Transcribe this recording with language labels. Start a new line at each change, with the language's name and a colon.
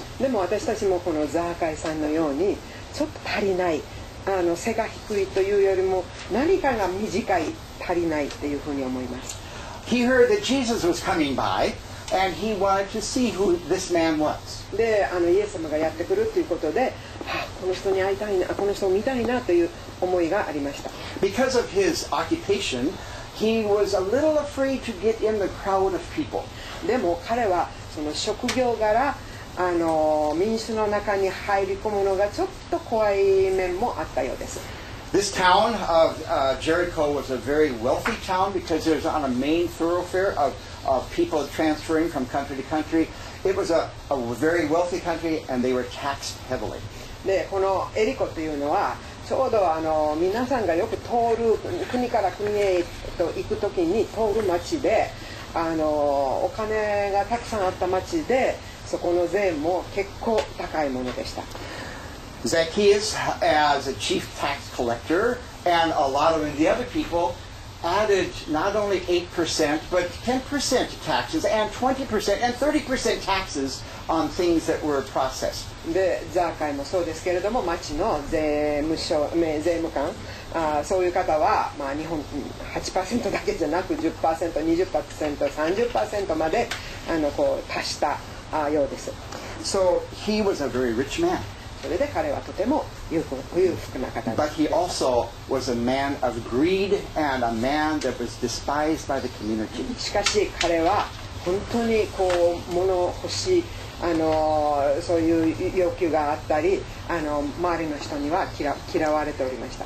Japanese: でも私たちもこのザーカイさんのようにちょっと足りない、あの背が低いというよりも何かが短い、足りないっていうふうに思います。
English: He heard that Jesus was coming by, and he wanted to see who this man was.
Japanese: で、あのイエス様がやってくるということで、はあ、この人に会いたいな、この人を見たいなという思いがありました。
English: Because of his occupation, he was a little afraid to get in the crowd of people.
Japanese: でも彼はその職業柄、あの民衆の中に入り込むのがちょっと怖い面もあったようです。
English: This town of Jericho was a very wealthy town because it was on a main thoroughfare of people transferring from country to country. It was a very wealthy country and they were taxed heavily.
Japanese: で、このエリコというのはちょうどあの皆さんがよく通る国から国へと行くときに通る町で、あのお金がたくさんあった町で、そこの税も結構高いものでした。
English: Zacchaeus as a chief tax collector and a lot of the other people added not only 8% but 10% taxes and 20% and 30% taxes on things that were processed.
Japanese: で、ザーカイもそうですけれども、町の税務官、そういう方は、まあ、日本 8% だけじゃなく 10%、20%、30% まであのこう足したようです。
English: So he was a very rich man.
Japanese: それで彼はとても裕福な方です。
English: But he also was a man of greed and a man that was despised by the community.
Japanese: しかし彼は本当にこう物欲しい、あのそういう要求があったり、あの周りの人には嫌われておりました。